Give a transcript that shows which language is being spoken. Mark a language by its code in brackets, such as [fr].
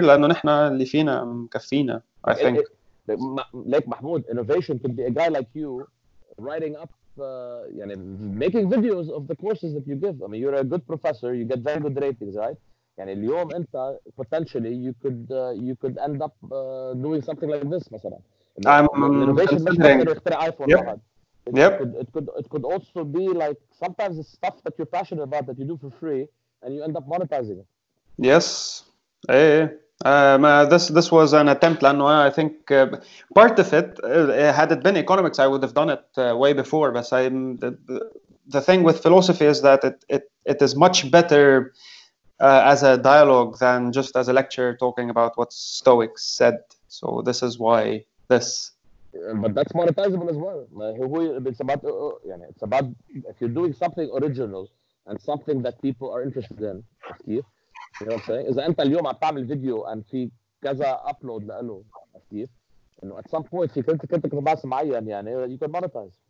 [ar] لأنه نحنا اللي فينا مكفينا. [en] I think. Like Mahmoud, innovation could be a guy like you, writing up, [ar] يعني [en] making videos of the courses that you give. I mean, you're a good professor. You get very good ratings, right? [ar] يعني اليوم أنت [en] potentially you could end up doing something like this, [ar] مثلا. [en] Innovation. Yep. It could also be like sometimes it's stuff that you're passionate about that you do for free and you end up monetizing it. Yes. Hey. This was an attempt. [ar] لأنه [en] I think part of it had it been economics, I would have done it way before. But the thing with philosophy is that it is much better as a dialogue than just as a lecture talking about what Stoics said. So this is why this. But that's monetizable as well. It's about if you're doing something original and something that people are interested in. You know what I'm saying? [ar] إذا أنت اليوم عم تعمل فيديو and في كذا upload لإله. [en] At some point, [ar] في كنت كتباس معين يعني [en] you can monetize.